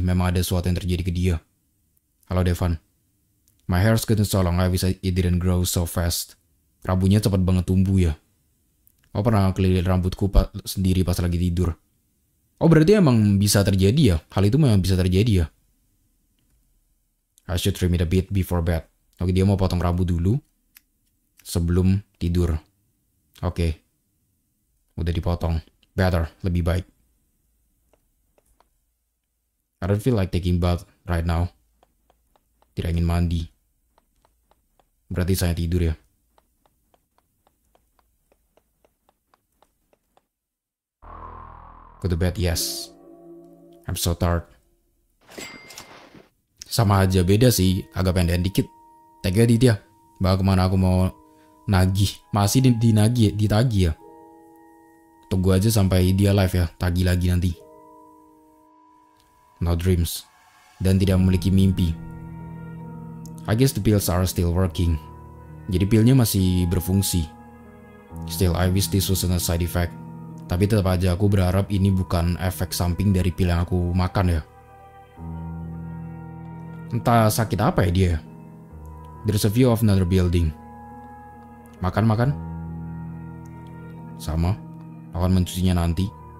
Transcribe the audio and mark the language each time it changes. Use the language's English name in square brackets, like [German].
[Indonesian] Memang ada sesuatu yang terjadi ke dia. Halo Devan. [English] My hair's getting so long. I wish it didn't grow so fast. [Indonesian] Rambutnya cepat banget tumbuh ya. Oh pernah ngelilit rambutku sendiri pas lagi tidur. Oh berarti emang bisa terjadi ya? Hal itu memang bisa terjadi ya? [English] I should trim it a bit before bed. [Indonesian] Oke, dia mau potong rambut dulu. Sebelum tidur. Oke. Udah dipotong. Better, lebih baik. [English] I don't feel like taking bath right now. [Indonesian] Tidak ingin mandi. Berarti saya tidur ya. [English] Go to bed, yes. I'm so tired. [Indonesian] Sama aja beda sih, agak pendek dikit. [English] Thank you, [Indonesian] Aditya. Bahwa kemana aku mau nagih. Masih dinagih, ditagih ya. Tunggu aja sampai dia live ya, tagih lagi nanti. [English] No dreams. [Indonesian] Dan tidak memiliki mimpi. [English] I guess the pills are still working. [Indonesian] Jadi pilnya masih berfungsi. [English] Still, I wish this wasn't a side effect. [Indonesian] Tapi tetap aja aku berharap ini bukan efek samping dari pil yang aku makan ya. Entah sakit apa ya dia. [English] There's a view of another building. [Indonesian] Makan-makan. Sama. Akan mencucinya nanti.